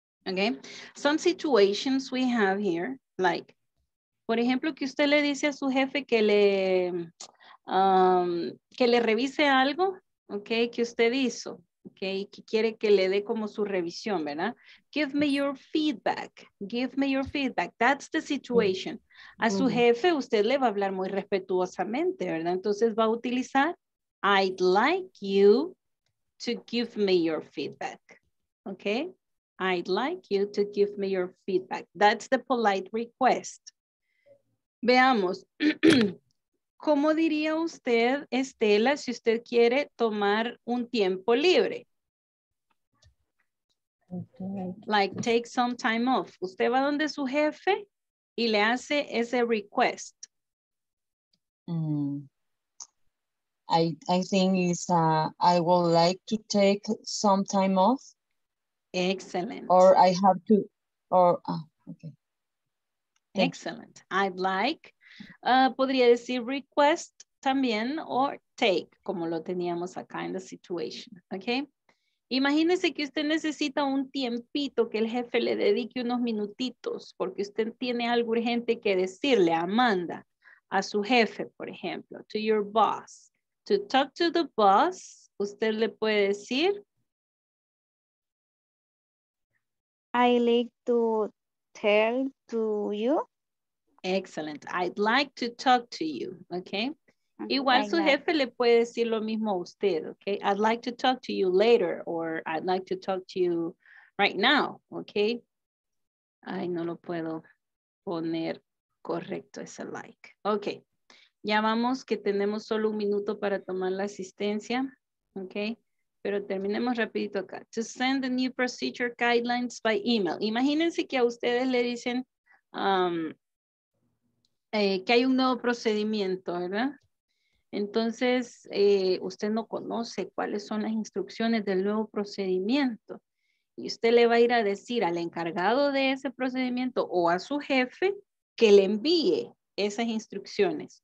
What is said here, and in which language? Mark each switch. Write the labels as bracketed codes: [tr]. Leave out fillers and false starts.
[en] Okay, some situations we have here, like, [es] por ejemplo, que usted le dice a su jefe que le revise algo, okay, que usted hizo, okay, que quiere que le dé como su revisión, ¿verdad? [en] Give me your feedback, give me your feedback, that's the situation. [es] A su jefe usted le va a hablar muy respetuosamente, ¿verdad? Entonces va a utilizar, [en] I'd like you to give me your feedback, okay? I'd like you to give me your feedback. That's the polite request. [es] Veamos. ¿Cómo diría usted, Estela, si usted quiere tomar un tiempo libre? [en] Like, take some time off. [es] Usted va donde su jefe y le hace ese request. [en] I think it's, I would like to take some time off. Excellent. Or I have to, or, okay. Thanks. Excellent. I'd like, [es] podría decir request también, [en] or take, [es] como lo teníamos acá en [en] the situation, okay? [es] Imagínese que usted necesita un tiempito que el jefe le dedique unos minutitos, porque usted tiene algo urgente que decirle, Amanda, a su jefe, por ejemplo, [en] to your boss. To talk to the boss, [es] usted le puede decir, [en] I like to tell to you. Excellent. I'd like to talk to you. Okay. [es] Igual su jefe le puede decir lo mismo a usted. [en] Okay. I'd like to talk to you later or I'd like to talk to you right now. Okay. [es] Ay, no lo puedo poner correcto ese like. Okay. Ya vamos que tenemos solo un minuto para tomar la asistencia. Okay. Pero terminemos rapidito acá. [en] To send the new procedure guidelines by email. Imagínense que a ustedes le dicen que hay un nuevo procedimiento, ¿verdad? Entonces, usted no conoce cuáles son las instrucciones del nuevo procedimiento. Y usted le va a ir a decir al encargado de ese procedimiento o a su jefe que le envíe esas instrucciones.